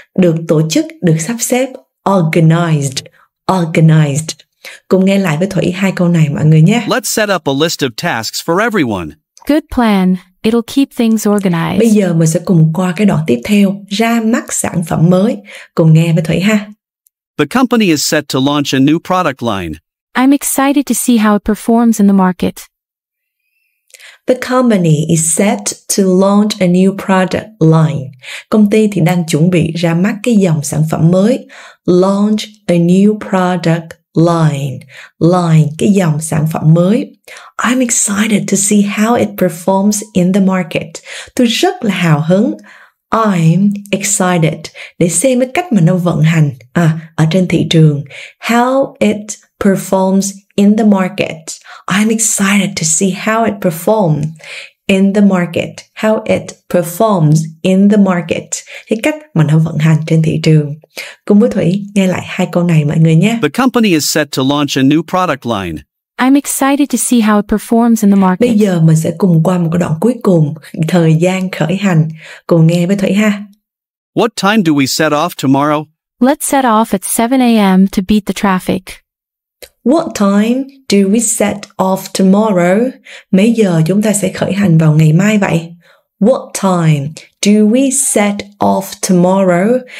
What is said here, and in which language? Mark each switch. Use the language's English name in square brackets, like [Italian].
[Vietnamese] Được tổ chức, được sắp xếp. [English] Organized. Organized. [Vietnamese] Cùng nghe lại với Thủy hai câu này mọi người nhé. [English] Let's set up a list of tasks for everyone. Good plan. It'll keep things organized. [Vietnamese] Bây giờ mình sẽ cùng qua cái đoạn tiếp theo, ra mắt sản phẩm mới. Cùng nghe với Thủy ha. [English] The company is set to launch a new product line. I'm excited to see how it performs in the market. The company is set to launch a new product line. [Vietnamese] Công ty thì đang chuẩn bị ra mắt cái dòng sản phẩm mới. [English] Launch a new product line. [Vietnamese] Line, cái dòng sản phẩm mới. [English] I'm excited to see how it performs in the market. [Vietnamese] Tôi rất là hào hứng. [English] I'm excited [Vietnamese] để xem cái cách mà nó vận hành ở trên thị trường. [English] How it performs in the market. I'm excited to see how it performs in the market. How it performs in the market. [Vietnamese] Thì cách mà nó vận hành trên thị trường. Cùng với Thủy nghe lại hai câu này mọi người nhé. [English] The company is set to launch a new product line. I'm excited to see how it performs in the market. [Vietnamese] Bây giờ mình sẽ cùng qua một cái đoạn cuối cùng, thời gian khởi hành. Cùng nghe với Thủy ha. [English] What time do we set off tomorrow? Let's set off at 7 a.m. to beat the traffic. What time do we set off tomorrow? [Vietnamese] Mấy giờ chúng ta sẽ khởi hành vào ngày mai vậy? [English] What time do we set off tomorrow?